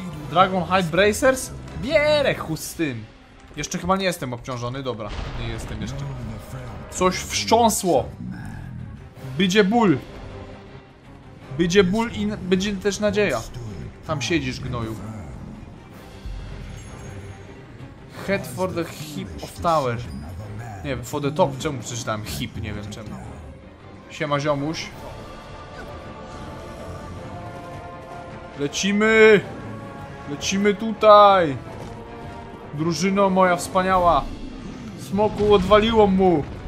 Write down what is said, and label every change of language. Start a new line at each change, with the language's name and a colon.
Polish: Dragon Hide Bracers? Bierę chuj z tym. Jeszcze chyba nie jestem obciążony, dobra. Nie jestem jeszcze. Coś wstrząsło. Będzie ból. Będzie ból i będzie też nadzieja. Tam siedzisz, gnoju.
English: Head for the hip of tower.
Polish: Nie wiem,
English: for the top,
Polish: czemu przeczytałem hip, nie wiem czemu. Siema ziomuś. Lecimy. Lecimy tutaj. Drużyno moja wspaniała. Smoku odwaliło mu.